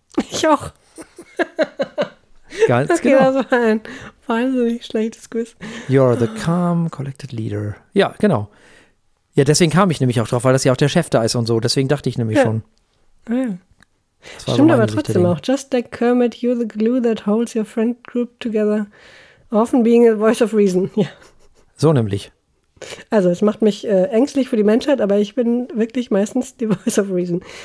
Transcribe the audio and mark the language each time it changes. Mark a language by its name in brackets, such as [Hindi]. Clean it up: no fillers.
[German] Ich auch. Ganz das genau. Das geht also ein wahnsinnig schlechtes Quiz. [English] You're the calm, collected leader. [German] Ja, genau. Ja, deswegen kam ich nämlich auch drauf, weil das ja auch der Chef da ist und so. Deswegen dachte ich nämlich ja. schon. Ja. Stimmt so aber trotzdem Sicht auch. [English] Just like Kermit, you're the glue that holds your friend group together. Often being a voice of reason. [German] Ja. So nämlich. Also es macht mich ängstlich für die Menschheit, aber ich bin wirklich meistens die [English] voice of reason.